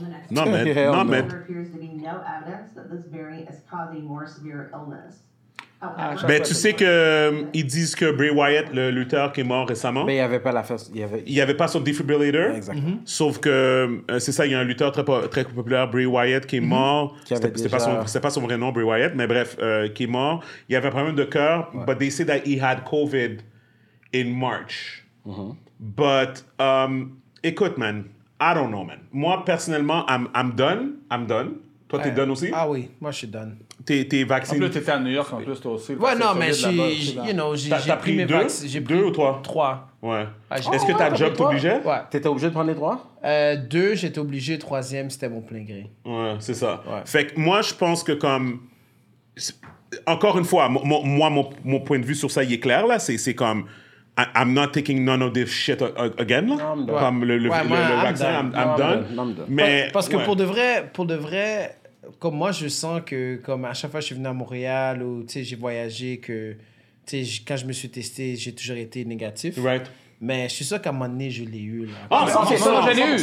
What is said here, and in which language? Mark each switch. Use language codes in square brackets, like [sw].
[fr] Non, mais non, mais ben, tu sais que ils disent que Bray Wyatt, le lutteur qui est mort récemment, mais il y avait pas la face, il y avait pas son defibrillator, ouais, exactement. Sauf que c'est ça, il y a un lutteur très populaire, Bray Wyatt, qui est mort. C'est pas son vrai nom, Bray Wyatt, mais bref, qui est mort. Il y avait un problème de cœur, [en] but they say that he had COVID in March, but [fr] écoute, [en] man, I don't know, man. [fr] Moi, personnellement, [en] I'm done. [fr] Toi, t'es done aussi? Ah oui, moi, je suis done. T'es vacciné? En plus, t'étais à New York, en plus, toi aussi. Ouais, non, mais j'ai pris deux ou trois? Trois. Ouais. Est-ce que ta job t'obligeait? Ouais. T'étais obligé de prendre les trois? Deux, j'étais obligé. Troisième, c'était mon plein gré. Ouais, c'est ça. Ouais. Fait que moi, je pense que comme... Encore une fois, mon point de vue sur ça, il est clair, là. C'est comme... [en] I'm not taking none of this shit again. [fr] Non, comme le vaccin, [en] I'm done. [fr] Mais parce que pour de vrai, comme moi, je sens que comme à chaque fois que je suis venu à Montréal ou tu sais j'ai voyagé que tu sais quand je me suis testé j'ai toujours été négatif. [en] Right. [fr] Mais je suis sûr qu'à un moment donné je l'ai eu là. Ah, oh, c'est ça, j'ai eu.